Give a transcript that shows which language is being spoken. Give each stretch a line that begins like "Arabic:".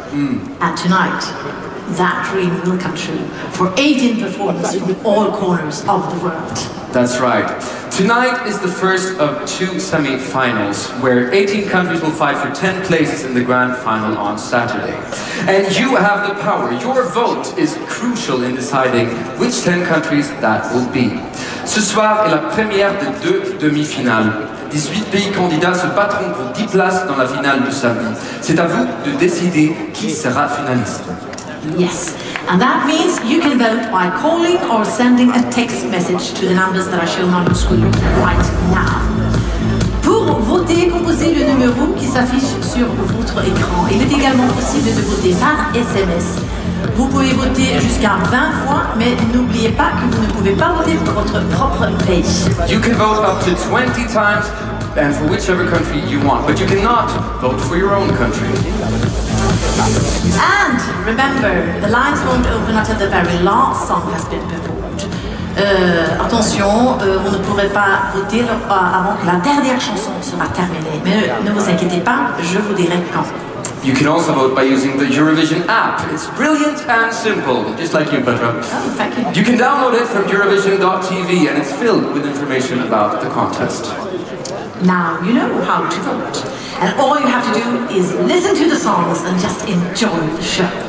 English: And tonight, that dream will come true for 18 performers from all corners of the world. That's right. Tonight is the first of two semi-finals, where 18 countries will fight for 10 places in the grand final on Saturday. And you have the power. Your vote is crucial in deciding which 10 countries that will be.
French: Ce soir est la première des deux demi-finales. 18 pays candidats se battront pour 10 places dans la finale de samedi. C'est à vous de décider qui sera finaliste.
English: Yes, and that means you can vote by calling or sending a text message to the numbers that are shown on your screen right now.
French: Pour voter, composez le numéro qui s'affiche sur votre écran. Il est également possible de voter par SMS. Vous pouvez voter jusqu'à 20 fois, mais n'oubliez pas que vous ne pouvez pas voter pour votre propre pays.
English: You can vote up to 20 times and for whichever country you want, but you cannot vote for your own country. And remember, the lines won't open until the very last song has been performed.
French: Attention, on ne pourrait pas voter avant que la dernière chanson sera terminée. Mais ne vous inquiétez pas, je vous dirai quand.
English: You can also vote by using the Eurovision app. It's brilliant and simple, just like you, Petra. Oh, thank you. You can download it from Eurovision.tv and it's filled with information about the contest. Now you know how to vote. And all you have to do is listen to the songs and just enjoy the show.